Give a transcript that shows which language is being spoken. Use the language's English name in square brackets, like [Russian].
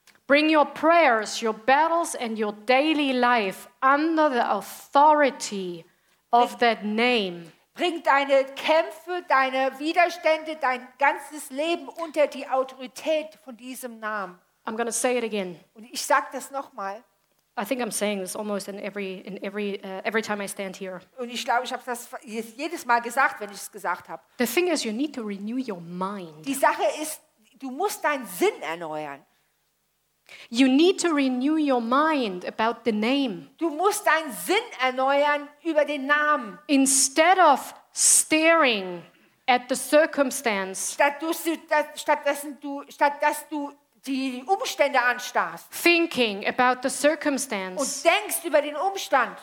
[English] Bring your prayers, your battles and your daily life under the authority of that name. [German] Bring deine Kämpfe, deine Widerstände, dein ganzes Leben unter die Autorität von diesem Namen. [English] I'm going to say it again. [German] Und ich sag das noch mal. [English] I think I'm saying this almost every time I stand here. [German] Und ich glaube, ich habe das jedes Mal gesagt, wenn ich es gesagt habe. [English] The thing is, you need to renew your mind. [German] Die Sache ist, du musst deinen Sinn erneuern. [English] You need to renew your mind about the name. [German] Du musst deinen Sinn erneuern über den Namen. [English] Instead of staring at the circumstance. [German] Statt dass du die Umstände anstarrst. [English] Thinking about the circumstance. [German] Und denkst über den Umstand.